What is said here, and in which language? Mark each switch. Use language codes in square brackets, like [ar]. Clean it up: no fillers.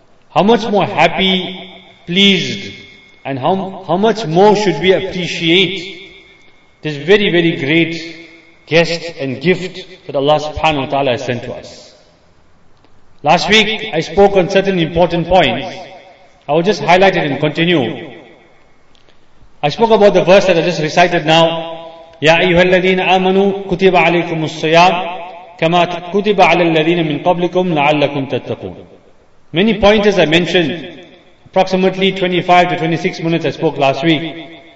[en] How much more happy, pleased, and how much more should we appreciate this very, very great guest and gift that Allah subhanahu wa ta'ala has sent to us. Last week, I spoke on certain important points. I will just highlight it and continue. I spoke about the verse that I just recited now. [ar] Ya ayyuha alladhina amanu kutiba alaykum as-siyam كَمَا كُتِبَ عَلَى الَّذِينَ مِنْ قَبْلِكُمْ لَعَلَّكُمْ تَتَّقُونَ. [en] Many pointers I mentioned, approximately 25 to 26 minutes I spoke last week.